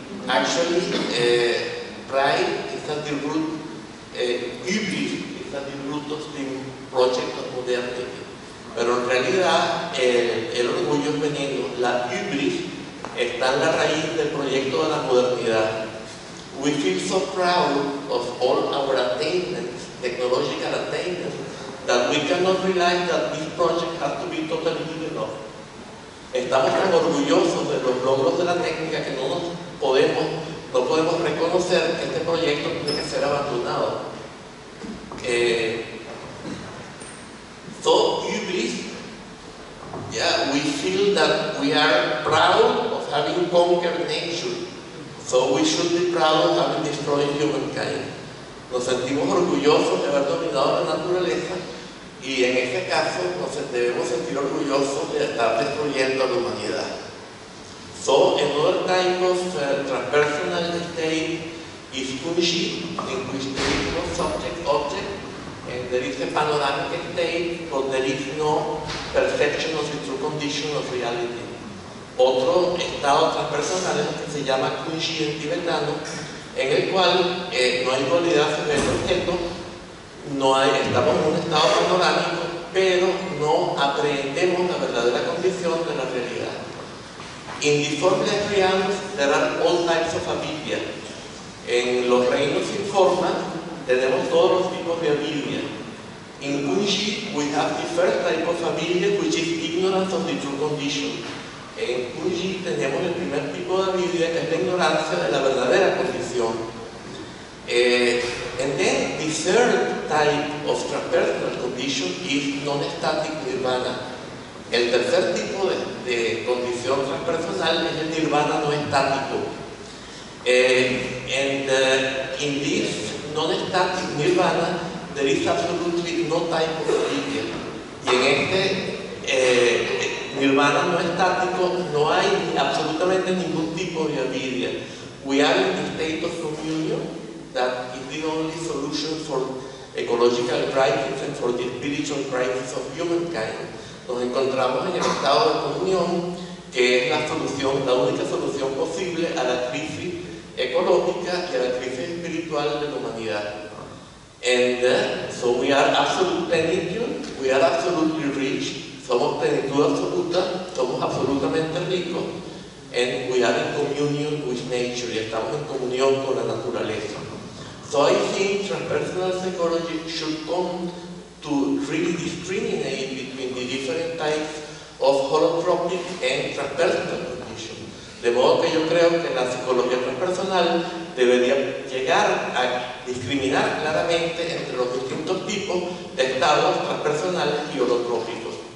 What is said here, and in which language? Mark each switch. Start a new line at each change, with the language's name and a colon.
English: Actually, pride is at the root, hubris is at the root of the project of modernity.
Spanish: Pero en realidad el orgullo es veneno, la hubris está en la raíz del proyecto de la modernidad.
English: We feel so proud of all our attainments, technological attainments, that we cannot realize that this project has to be totally good enough.
Spanish: Estamos tan orgullosos de los logros de la técnica que no podemos reconocer que este proyecto tiene que ser abandonado.
English: So, hubris, yeah, we feel that we are proud of having conquered nature. So we should be proud of having destroyed humankind.
Spanish: Nos sentimos orgullosos de haber dominado la naturaleza y en este caso nos debemos sentir orgullosos de estar destruyendo a la humanidad.
English: So, another type of transpersonal state is kunshi, in which there is no subject-object. And there is a panoramic state, but there is no perception of the true condition of reality.
Spanish: otro estado transpersonal que se llama Kunshi en tibetano, en el cual no hay dualidad sobre el objeto, no hay, estamos en un estado panorámico, pero no aprehendemos la verdadera condición de la realidad.
English: In the form of realms, there are all types of avidya.
Spanish: En los reinos sin forma, tenemos todos los tipos de avidya.
English: In Kunshi, we have the first type of avidya, which is ignorance of the true condition.
Spanish: En Kunshi, tenemos el primer tipo de avidya, que es la ignorancia de la verdadera condición.
English: And then, the third type of transpersonal condition is non-static nirvana.
Spanish: El tercer tipo de condición transpersonal es el nirvana no estático.
English: In this non-static nirvana, there is absolutely no type of avidya.
Spanish: Y en este nirvana no estático no hay absolutamente ningún tipo de avidya.
English: We are in the state of communion, that is the only solution for ecological crisis and for the spiritual crisis of humankind.
Spanish: Nos encontramos en el estado de comunión, que es la solución, la única solución posible a la crisis ecológica y a la crisis espiritual de la humanidad.
English: So we are absolute plenitude, we are absolutely rich,
Spanish: somos plenitud absoluta, somos absolutamente ricos,
English: and we are in communion with nature,
Spanish: y estamos en comunión con la naturaleza.
English: So I think transpersonal psychology should come to really discriminate between the different types of holotropic and transpersonal condition.
Spanish: De modo que yo creo que la psicología transpersonal debería llegar a discriminar claramente entre los distintos tipos de estados transpersonales y holotrópicos.